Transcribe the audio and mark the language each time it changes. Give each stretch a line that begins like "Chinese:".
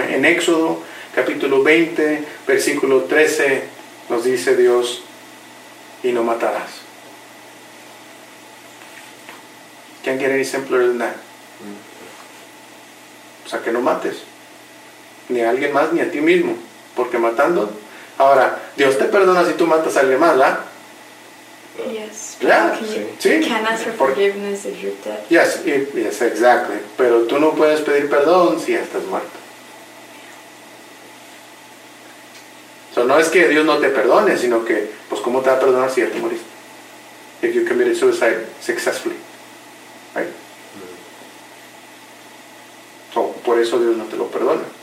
Spanish: En Éxodo, capítulo 20, versículo 13, nos dice Dios, y no matarás.
English: Can't get any simpler than that.
Spanish: O sea, que no mates, ni a alguien más, ni a ti mismo, porque matando... Ahora, Dios te perdona si tú matas a alguien más, ¿verdad?
English: Yes. Yeah. You can ask for forgiveness if you're dead. Yes, exactly.
Spanish: Pero tú no puedes pedir perdón si estás muerto. So no es que Dios no te perdone, sino que, pues, ¿cómo te va a perdonar si ya te moriste?
English: If you committed suicide successfully. Right? So,
Spanish: por eso Dios no te lo perdona.